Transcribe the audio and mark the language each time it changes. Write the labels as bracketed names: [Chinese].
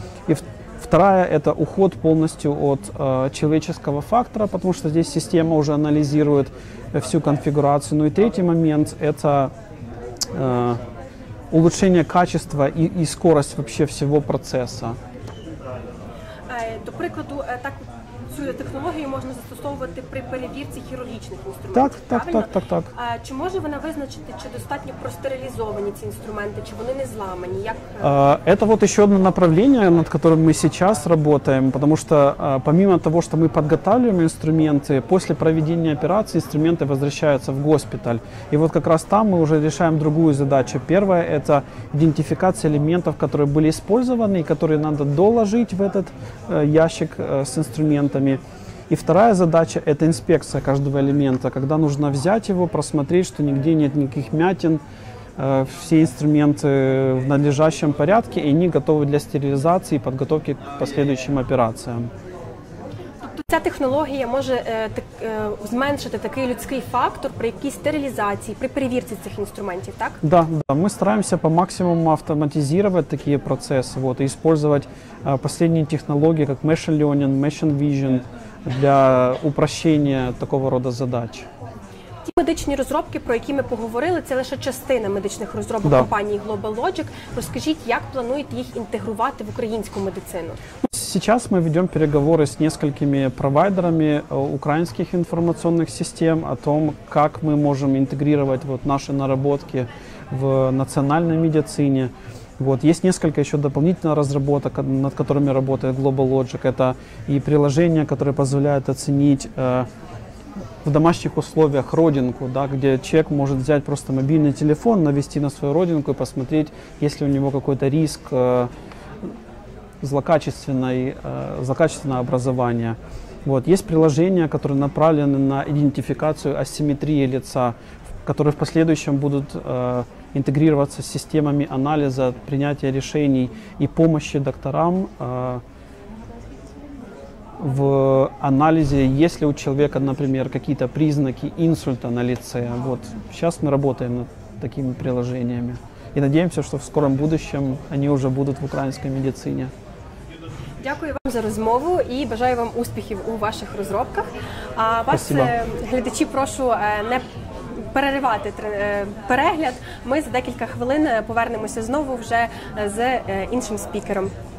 [Russian] И вторая – это уход полностью от человеческого фактора, потому что здесь система уже анализирует всю конфигурацию. Ну и третий момент – это улучшение качества и скорость вообще всего процесса. [Ukrainian] До прикладу, так… Цю технологію можна застосовувати при перевірці хірургічних інструментів. Так, так, так, так, так. Чи може вона визначити, чи достатньо простерилізовані ці інструменти, чи вони не зламані? Як [Russian] это вот ещё одно направление, над которым мы сейчас работаем, потому что помимо того, что мы подготавливаем инструменты, после проведения операции инструменты возвращаются в госпиталь. И вот как раз там мы уже решаем другую задачу. Первое — это идентификация элементов, которые были использованы и которые надо доложить в этот ящик с инструментами. И вторая задача – это инспекция каждого элемента, когда нужно взять его, просмотреть, что нигде нет никаких мятин, все инструменты в надлежащем порядке, и они готовы для стерилизации и подготовки к последующим операциям. [Ukrainian] Ця технологія може зменшити такий людський фактор при якійсь стерилізації, при перевірці цих інструментів, так? [Russian] Да, да. [Ukrainian] Ми стараємося по максимуму автоматизувати такі процеси, вот, і використовувати останні технології, як machine learning, machine vision, для упрощення такого роду задач. Ті медичні розробки, про які ми поговорили, це лише частина медичних розробок, да, компанії Global Logic. Розкажіть, як плануєте їх інтегрувати в українську медицину? [Russian] Сейчас мы ведем переговоры с несколькими провайдерами украинских информационных систем о том, как мы можем интегрировать вот наши наработки в национальной медицине. Вот. Есть несколько еще дополнительных разработок, над которыми работает Global Logic. Это и приложение, которое позволяет оценить в домашних условиях родинку, да, где человек может взять просто мобильный телефон, навести на свою родинку и посмотреть, есть ли у него какой-то риск злокачественное образование. Вот. Есть приложения, которые направлены на идентификацию асимметрии лица, которые в последующем будут интегрироваться с системами анализа, принятия решений и помощи докторам в анализе, есть ли у человека, например, какие-то признаки инсульта на лице. Вот. Сейчас мы работаем над такими приложениями и надеемся, что в скором будущем они уже будут в украинской медицине. [Ukrainian] Дякую вам за розмову і бажаю вам успіхів у ваших розробках. [Russian] А вас, спасибо. [Ukrainian] Глядачі, прошу не переривати перегляд. Ми за декілька хвилин повернемося знову вже з іншим спікером.